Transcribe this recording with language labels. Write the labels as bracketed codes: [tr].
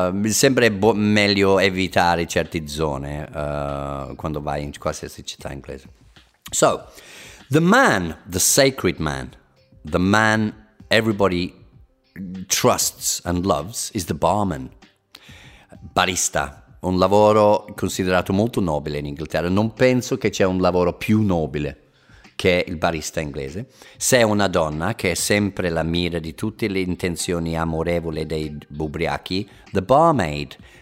[it] Sempre meglio evitare certe zone quando vai in qualsiasi città inglese. [en] So, the man, the sacred man, the man everybody trusts and loves is the barman. [it] Barista, un lavoro considerato molto nobile in Inghilterra. Non penso che c'è un lavoro più nobile che il barista inglese. Sei una donna che è sempre la mira di tutte le intenzioni amorevoli dei ubriachi, [en] the barmaid.